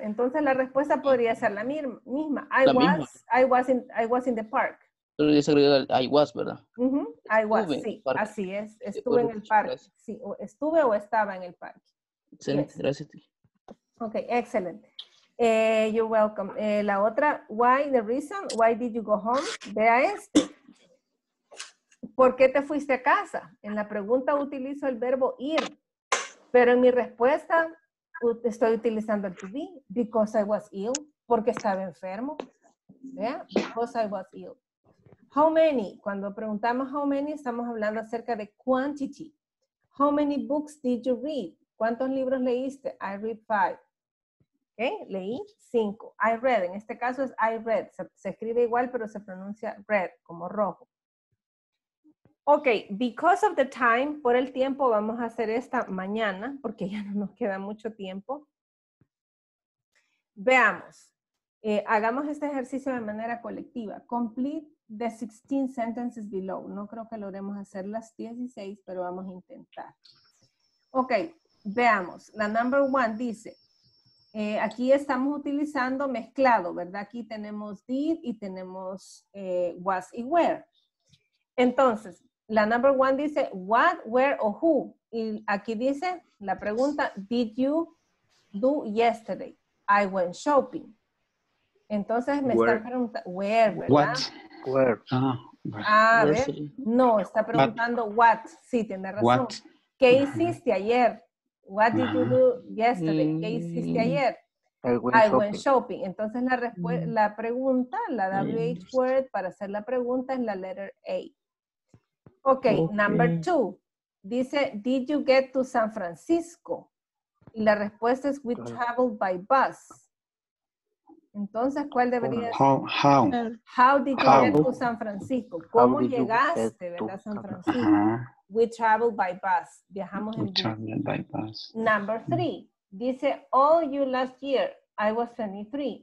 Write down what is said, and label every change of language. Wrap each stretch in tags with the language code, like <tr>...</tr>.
<es>Entonces la respuesta podría ser la misma.</es> <en>I was in the park.</en> <es>Pero ya se agregó el</es> <en>I was,</en> <es>¿verdad? Uh-huh.</es> <en>I was,</en> <es>estuve, sí, así es. Estuve en el parque. Sí, o estuve o estaba en el parque. Excelente, yes. Gracias a ti. Ok, excelente.</es> <en>You're welcome.</en> <es>La otra,</es> <en>why, the reason, why did you go home?</en> <es>Vea este. ¿Por qué te fuiste a casa? En la pregunta utilizo el verbo ir, pero en mi respuesta estoy utilizando el to be,</es> <en>because I was ill,</en> <es>porque estaba enfermo. Vea,</es> <en>because I was ill. How many?</en> <es>Cuando preguntamos how many, estamos hablando acerca de quantity.</es> <en>How many books did you read?</en> <es>¿Cuántos libros leíste?</es> <en>I read 5.</en> <es>¿Okay? Leí 5.</es> <en>I read.</en> <es>En este caso es I read. Se escribe igual, pero se pronuncia red, como rojo. Ok,</es> <en>because of the time,</en> <es>por el tiempo, vamos a hacer esta mañana, porque ya no nos queda mucho tiempo. Veamos. Hagamos este ejercicio de manera colectiva.</es> <en>Complete the 16 sentences below.</en> <es>No creo que logremos hacer las 16, pero vamos a intentar. Ok, veamos. La number one dice, aquí estamos utilizando mezclado, ¿verdad? Aquí tenemos did y tenemos was y where. Entonces, la number one dice what, where o who. Y aquí dice la pregunta,</es> <en>did you do yesterday? I went shopping.</en> <es>Entonces me están preguntando, where, ¿verdad?</es> <en>What?</en> <es>Ah, a ver, no, está preguntando what, sí, tiene razón.</es> <en>What?</en> <es>¿Qué hiciste ayer?</es> <en>What did you do yesterday?</en> <es>¿Qué hiciste ayer?</es> <en>I went shopping.</en> <es>Entonces la la pregunta, la WH word para hacer la pregunta es la letter A.</es> <en>Okay, number two. Dice, did you get to San Francisco?</en> <es>Y la respuesta es,</es> <en>we traveled by bus.</en> <es>Entonces, ¿cuál debería ser?</es> <en>How? How did you get to San Francisco?</en> <es>¿Cómo llegaste, verdad, a San Francisco?</es> <en>We travel by bus.</en> <es>Viajamos en bus.</es> <en>Number three.</en> <es>Dice,</es> <en>all you last year, I was 23.</en>